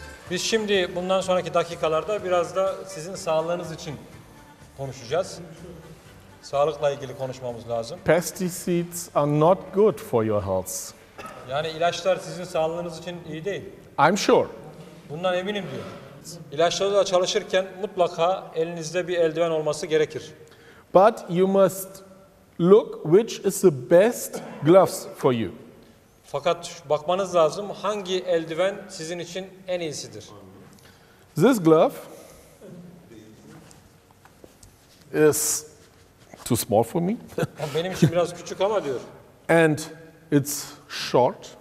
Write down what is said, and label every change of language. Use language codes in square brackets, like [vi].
[tr] Biz şimdi bundan sonraki dakikalarda biraz da sizin sağlığınız için konuşacağız. Sağlıkla ilgili konuşmamız lazım. [en] Pesticides are not good for your health. [tr] Yani ilaçlar sizin sağlığınız için iyi değil. [en] I'm sure. [tr] Bundan eminim diyor. İlaçları da çalışırken mutlaka elinizde bir eldiven olması gerekir. [en] But you must look which is the best gloves for you. [tr] Fakat bakmanız lazım hangi eldiven sizin için en iyisidir. [en] This glove is too small for me. [tr] Benim için biraz küçük ama diyor. [en] And it's short.